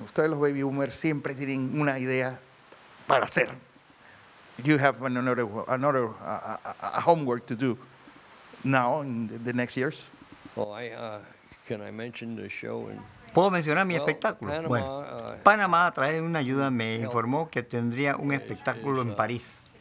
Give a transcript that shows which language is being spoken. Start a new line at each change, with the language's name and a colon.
Spanish: Ustedes los baby boomers siempre tienen una idea para hacer.
English: You have another homework to do now in the next years.
Spanish: ¿Puedo mencionar mi espectáculo? Panama, bueno, Panamá a través de una ayuda me informó que tendría un espectáculo en París.